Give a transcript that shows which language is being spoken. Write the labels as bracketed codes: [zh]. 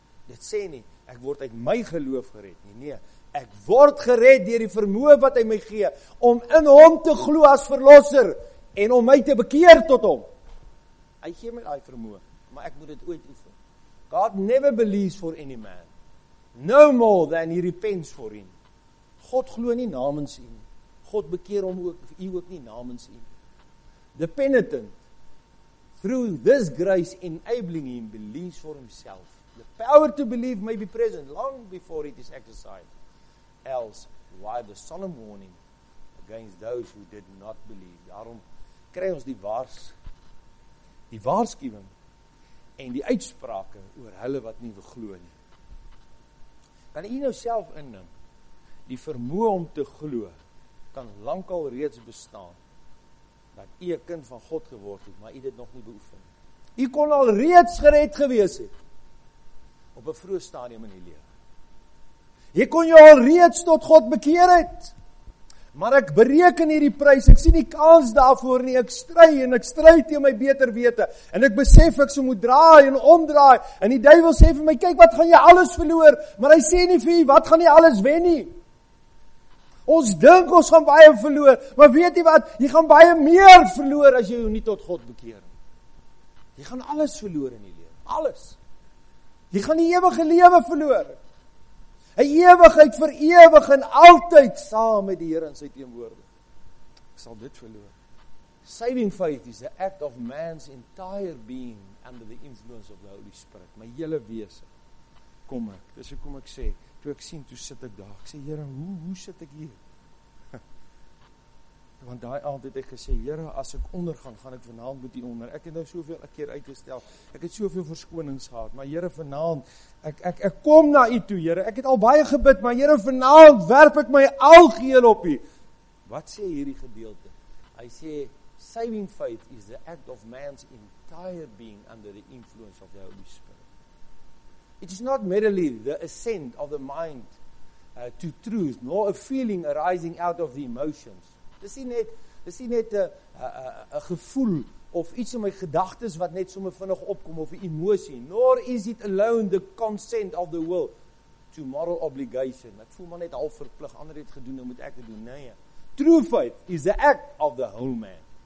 [af] Dit sê nie, ek word uit my geloof gered. Nee, ek word gered deur die vermoë wat hy my gee, om in hom te glo as verlosser, en om my te bekeer tot hom. Hy gee my daai vermoë, maar ek moet dit ooit oefen. [en] God never believes for any man, no more than he repents for him. [af] God glo nie namens u. God bekeer hom ook, u ook nie namens u. [en] The penitent, through this grace enabling him, believes for himself. The power to believe may be present long before it is exercised. Else, why the solemn warning against those who did not believe. [af] Daarom kry ons die waarskuwing en die uitsprake oor hulle wat nie geglo nie. Kan u nou self indink, die vermoë om te glo kan lankal reeds bestaan. Dat u 'n kind van God geword het, maar u dit nog nie beoefen. U kon al reeds gered gewees het op 'n vroeë stadium in u lewe. Jy kon jou al reeds tot God bekeer het. Maar ek bereken hierdie prys. Ek sien die kans daarvoor nie. Ek stry en ek stry teen my beter wete en ek besef ek sou moet draai en omdraai en die duiwel sê vir my, "Kyk, wat gaan jy alles verloor?" Maar hy sê nie vir u, "Wat gaan jy alles wen nie?" Ons dink ons gaan baie verloor, maar weet jy wat, jy gaan baie meer verloor as jy nie tot God bekeer. Jy gaan alles verloor in die lewe, alles. Jy gaan die ewige lewe verloor. Een ewigheid vir ewig en altyd saam met die Here in sy teenwoordigheid. Ek sal dit verloor. [en] Saving faith is the act of man's entire being under the influence of the Holy Spirit. [af] My hele wese, kom ek, dis hoe kom ek sê, toe ek sien, toe sit ek daar, ek sê, Here, hoe sit ek hier? Want daai aand het ek gesê, Here, as ek ondergaan, gaan ek vanavond met u onder, ek het nou soveel een keer uitgestel, ek het soveel verskonings gehad, maar Here, vanavond, ek kom na u toe, Here, ek het al baie gebid, maar Here, vanavond werp ek my algeheel op u. Wat sê hierdie gedeelte? Hy sê, [en] saving faith is the act of man's entire being under the influence of the Holy Spirit. It is not merely the ascent of the mind to truth, nor a feeling arising out of the emotions. [af] Dis nie net 'n gevoel of iets in my gedagtes wat net sommer vinnig opkom of 'n emosie. [en] Nor is it alone the consent of the will to moral obligation. [af] Ek voel maar net half verplig, ander het gedoen, nou moet ek dit doen. Nee, [en] true faith is the act of the whole man.